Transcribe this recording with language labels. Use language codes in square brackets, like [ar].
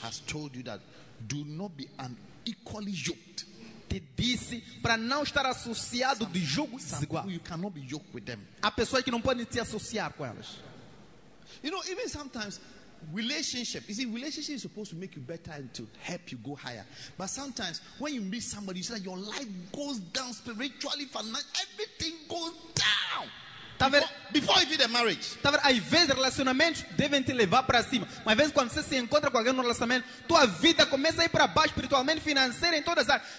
[en] has told you that do not be unequally yoked. [pt] Te disse para não estar associado de jugo desigual. [en] You cannot be yoked with them. [pt] A pessoa que não pode te associar com elas. [en] You know, even sometimes relationship. You see, relationship is supposed to make you better and to help you go higher. But sometimes when you meet somebody, you see that your life goes down spiritually, financially, everything goes down. Before even the marriage. [pt] Tá vendo? Às vezes relacionamentos devem te levar para cima. Mas às vezes quando você se encontra com alguém no relacionamento, tua vida começa a ir para baixo espiritualmente, financeiro, em todas as áreas.